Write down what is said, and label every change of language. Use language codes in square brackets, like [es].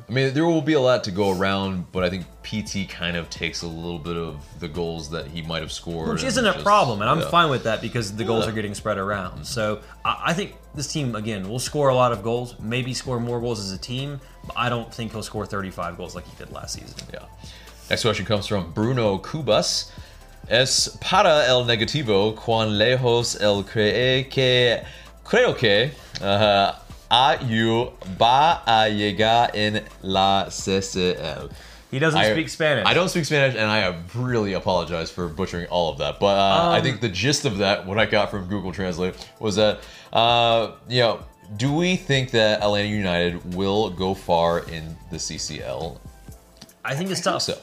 [en] I mean, there will be a lot to go around, but I think PT kind of takes a little bit of the goals that he might have scored. Which isn't a problem, and I'm fine with that because the goals are getting spread around. Mm-hmm. So I think this team, again, will score a lot of goals, maybe score more goals as a team, but I don't think he'll score 35 goals like he did last season. Yeah. Next question comes from Bruno Cubas. [es] Es para el negativo, cuán lejos él cree que creo que AU va a llegar en la CCL. [en] He doesn't speak Spanish. I don't speak Spanish, and I really apologize for butchering all of that. But I think the gist of that, what I got from Google Translate, was that, you know, do we think that Atlanta United will go far in the CCL? I think it's tough.